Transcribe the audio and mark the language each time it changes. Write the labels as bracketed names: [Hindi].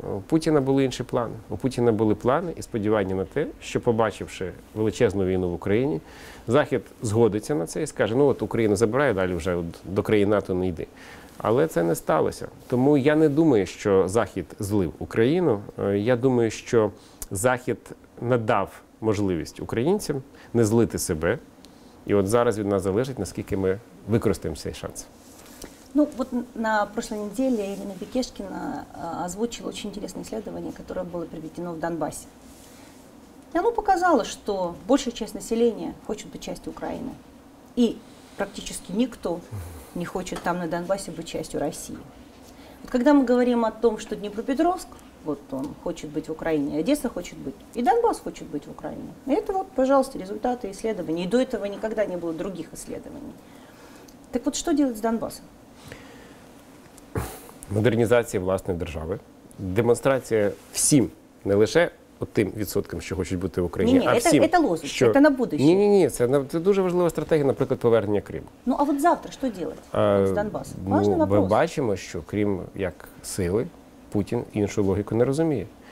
[Ukrainian] У Путіна були інші плани. У Путіна були плани і сподівання на те, що, побачивши величезну війну в Україні, Захід згодиться на це і скаже, ну, от Україна забирає, далі вже до країн НАТО не йди. Але це не сталося. Тому я не думаю, що Захід злив Україну. Я думаю, що Захід надав можливість українцям не злити себе. І от зараз від нас залежить, наскільки ми використаємо цей шанс. [Russian] Ну, вот на прошлой неделе Ирина Бекешкина озвучила очень интересное исследование, которое было проведено в Донбассе. И оно показало, что большая часть населения хочет быть частью Украины. И практически никто не хочет там на Донбассе быть частью России. Вот когда мы говорим о том, что Днепропетровск, вот он хочет быть в Украине, Одесса хочет быть, и Донбасс хочет быть в Украине. И это вот, пожалуйста, результаты исследований. И до этого никогда не было других исследований. Так вот, что делать с Донбассом? [Ukrainian] Модернізація власної держави, демонстрація всім, не лише тим відсоткам, що хочуть бути в Україні, а всім. Ні, це лозунг, що... це [Russian] на будущее. [Ukrainian] Ні, це дуже важлива стратегія, наприклад, повернення Криму. Ну, а от завтра що робити з Донбасом? Важний [Russian] вопрос. [Ukrainian] Ми бачимо, що Крим як сили Путін іншу логіку не розуміє.